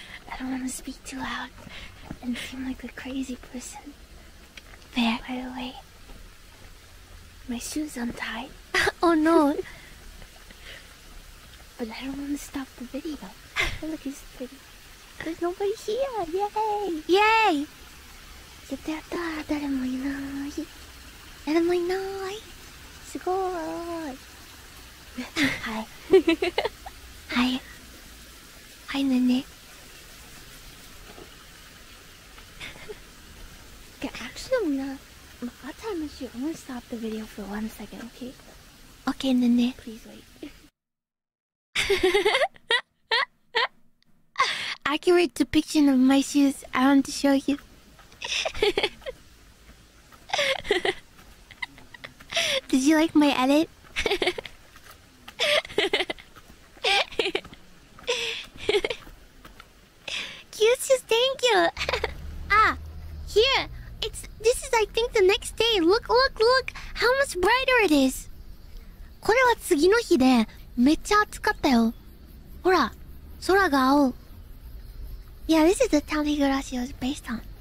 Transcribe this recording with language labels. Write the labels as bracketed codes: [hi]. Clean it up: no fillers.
[en] I don't want to speak too loud and seem like a crazy person. Fair. By the way, my shoe's untied. Oh no. But I don't want to stop the video. Look, it's pretty. There's nobody here. Yay! Yay! [ja] やったー、誰もいなーい。誰もいなーい。すごーい。はい。はい。はい、ねね。 [en] Okay, actually, I'm not. I'll tell you, I'm gonna stop the video for 1 second, okay? Okay, ねね。 Please wait. Accurate depiction of my shoes, I want to show you. Did you like my edit? Cutest, thank you! Ah, here! This is, I think, the next day. Look, look, look! How much brighter it is! [ja] これは次の日で、めっちゃ暑かったよ。ほら、空が青。 [en] Yeah, this is the town Higurashi was based on.